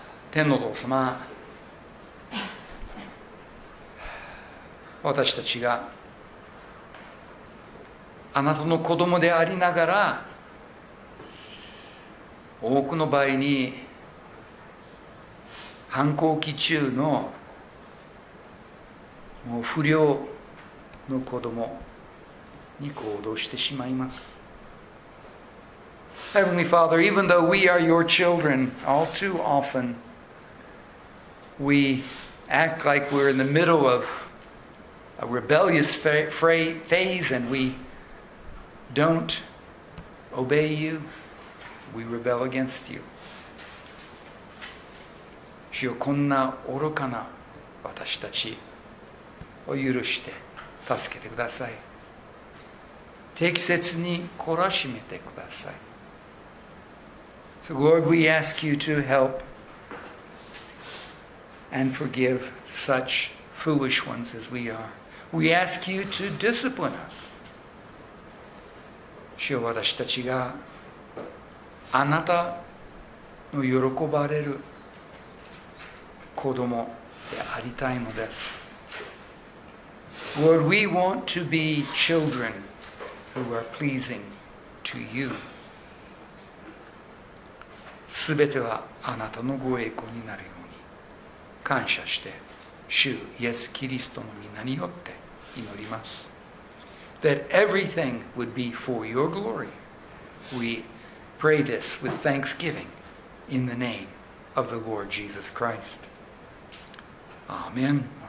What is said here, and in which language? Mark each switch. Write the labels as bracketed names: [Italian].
[Japanese] 天のお父様、私たちがあなたの子供でありながら、多くの場合に反抗期中のもう不良の子供に行動してしまいます。 [English] Heavenly Father, even though we are your children, all too often we act like we're in the middle of a rebellious phase and we don't obey you, we rebel against you. [Japanese] 主よ、こんな愚かな私たちを許して助けてください。適切に懲らしめてください。 [English] So Lord, we ask you to help and forgive such foolish ones as we are. We ask you to discipline us. [Japanese] 主よ、私たちがあなたの喜ばれる子供でありたいのです。 [English] Lord, we want to be children who are pleasing to you. [Japanese] すべてはあなたのご栄光になるように感謝して主イエス・キリストの名によって祈ります。 [English] That everything would be for your glory. We pray this with thanksgiving in the name of the Lord Jesus Christ. Amen.